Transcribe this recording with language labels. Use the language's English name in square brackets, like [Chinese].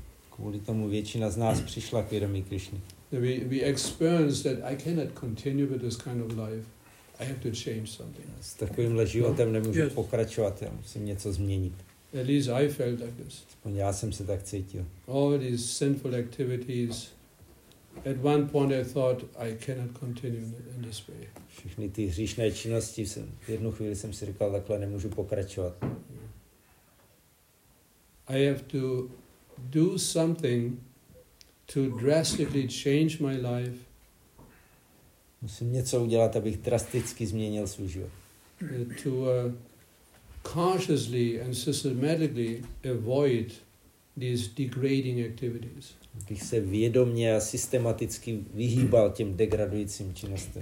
[Czech] Kvůli tomu většina z nás přišla k vědomí Krishny. [English] We experienced that I cannot continue with this kind of life. I have to change something. [Czech] S takovýmhle životem nemůžu pokračovat, já musím něco změnit. [English] At least I felt like this. [Czech] Aspoň já jsem se tak cítil. [English] All these sinful activities. At one point I thought I cannot continue in this way. [Czech] Všechny ty hříšné činnosti jsem, v jednu chvíli jsem si říkal, takhle nemůžu pokračovat. [English] I have to do something to drastically change my life. [Czech] Musím něco udělat, abych drasticky změnil svůj život. [English] To consciously and systematically avoid these degrading activities. [Czech] Abych se vědomně a systematicky vyhýbal těm degradujícím činnostem.